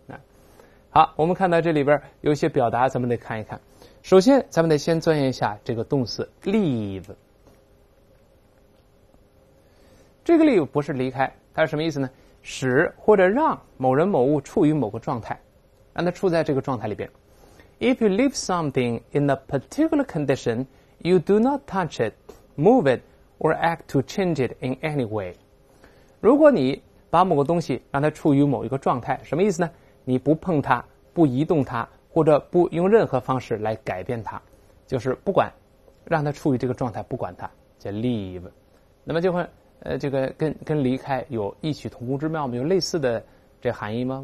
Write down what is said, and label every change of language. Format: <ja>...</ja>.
<zh>那好，我们看到这里边有些表达咱们得看一看。首先咱们得先钻研一下这个动词 leave， 这个 leave 不是离开，它是什么意思呢？使或者让某人某物处于某个状态，让它处在这个状态里边。</zh> <en>If you leave something in a particular condition, you do not touch it, move it, or act to change it in any way.</en> <zh>如果你把某个东西让它处于某一个状态，什么意思呢？你不碰它，不移动它，或者不用任何方式来改变它，就是不管，让它处于这个状态，不管它，叫 leave。那么就会，这个跟离开有异曲同工之妙吗？有类似的这含义吗？</zh>